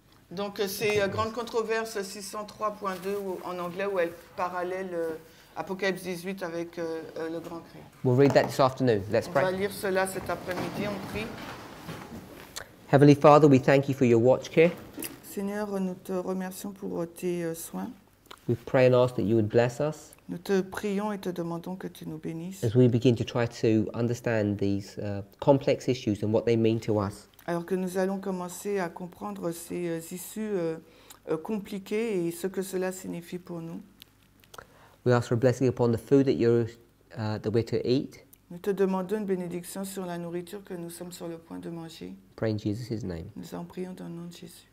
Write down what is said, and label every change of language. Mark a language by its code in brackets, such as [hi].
[fr] Donc c'est grande controverse 603.2 en anglais où elle parallèle Apocalypse 18 avec le grand cri. [en] We'll read that this afternoon. Let's pray. [fr] On va lire cela cet après-midi, on prie. [en] Heavenly Father, we thank you for your watch care. [fr] Seigneur, nous te remercions pour tes soins. [en] We pray and ask that you would bless us. [fr] Nous te prions et te demandons que tu nous bénisses. [en] As we begin to try to understand these complex issues and what they mean to us. [fr] Alors que nous allons commencer à comprendre ces issues compliquées et ce que cela signifie pour nous. [en] We ask for a blessing upon the food that that we're to eat. [fr] Nous te demandons une bénédiction sur la nourriture que nous sommes sur le point de manger. [en] Pray in Jesus' name. [fr] Nous en prions dans le nom de Jésus.